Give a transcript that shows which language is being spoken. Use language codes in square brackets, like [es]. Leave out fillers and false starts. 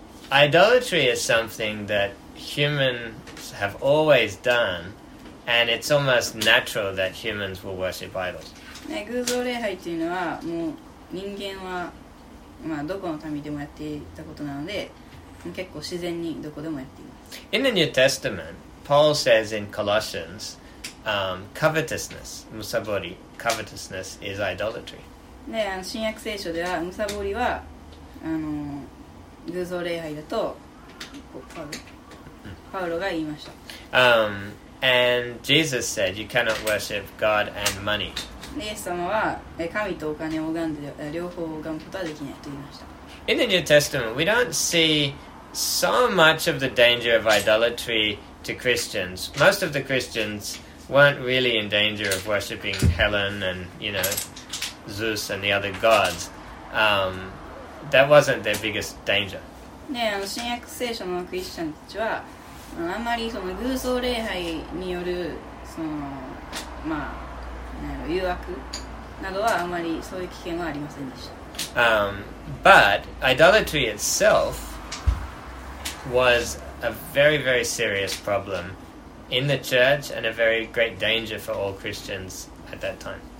[en] Idolatry is something that humans have always done, and it's almost natural that humans will worship idols. [ja] 偶像礼拝というのはもう人間はまあどこの民でもやっていたことなので、結構自然にどこでもやっています。 [en] In the New Testament, Paul says in Colossians, covetousness, musabori. Covetousness is idolatry. [ja] ね、あの新約聖書ではむさぼりはあの偶像礼拝だとパウロが言いました。 [en] And Jesus said, "You cannot worship God and money." [ja] イエス様は神とお金を拝んで両方拝むことはできないと言いました。 [en] In the New Testament, we don't see so much of the danger of idolatry to Christians. Most of the Christians. Weren't really in danger of worshipping Helen and, you know, Zeus and the other gods. That wasn't their biggest danger. [ja] ね、あの、新約聖書のクリスチャンたちは、あんまりその偶像礼拝による、その、まあ、なんか誘惑などはあんまりそういう危険はありませんでした。 [en] But idolatry itself was a very, very serious problem. In the church, and a very great danger for all Christians at that time.